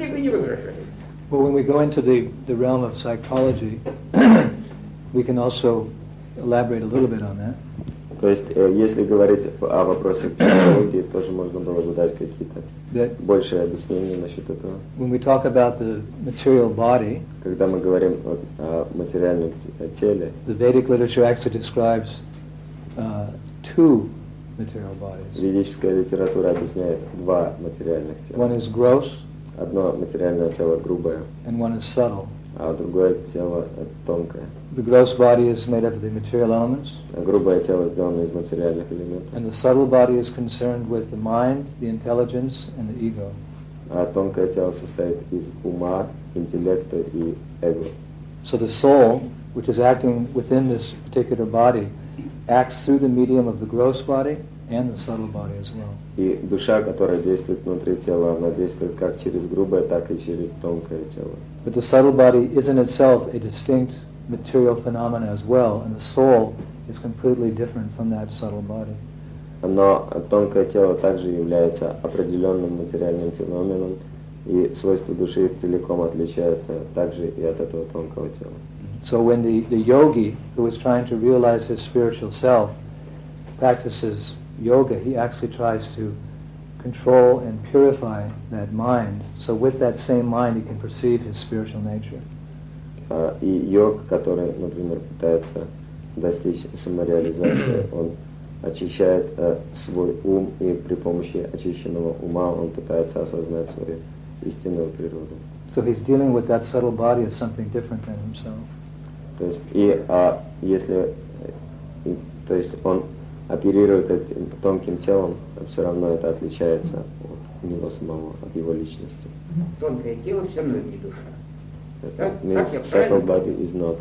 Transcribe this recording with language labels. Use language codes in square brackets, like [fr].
[en] Well, when we go into the realm of psychology, we can also elaborate a little bit on that. [ru] То есть, если говорить о вопросах психологии, тоже можно было бы дать какие-то большие объяснения насчет этого. [en] When we talk about the material body, [ru] когда мы говорим о материальном теле, [en] the Vedic literature actually describes two. [ru] Ведическая литература объясняет два материальных тела. [en] One is gross, [ru] одно материальное тело грубое, [en] and one is subtle. [ru] А другое тело тонкое. [en] The gross body is made up of the material elements. [ru] А грубое тело сделано из материальных элементов. [en] And the subtle body is concerned with the mind, the intelligence, and the ego. [ru] А тонкое тело состоит из ума, интеллекта и эго. [en] So the soul, which is acting within this particular body, acts through the medium of the gross body and the subtle body as well. [ru] И душа, которая действует внутри тела, она действует как через грубое, так и через тонкое тело. [en] But the subtle body is in itself a distinct material phenomenon as well, and the soul is completely different from that subtle body. [ru] Но тонкое тело также является определенным материальным феноменом, и свойства души целиком отличаются также и от этого тонкого тела. [en] So when the yogi who is trying to realize his spiritual self practices yoga, he actually tries to control and purify that mind. So with that same mind, he can perceive his spiritual nature. [ru] И йог, который, например, пытается достичь самореализации, он очищает свой ум, и при помощи очищенного ума он пытается осознать свою истинную природу. [en] So he's dealing with that subtle body as something different than himself. [ru] То есть, то есть он оперирует этим тонким телом, все равно это отличается от него самого, от его личности. Тонкое тело все равно не душа. [en] Means subtle body is not soul.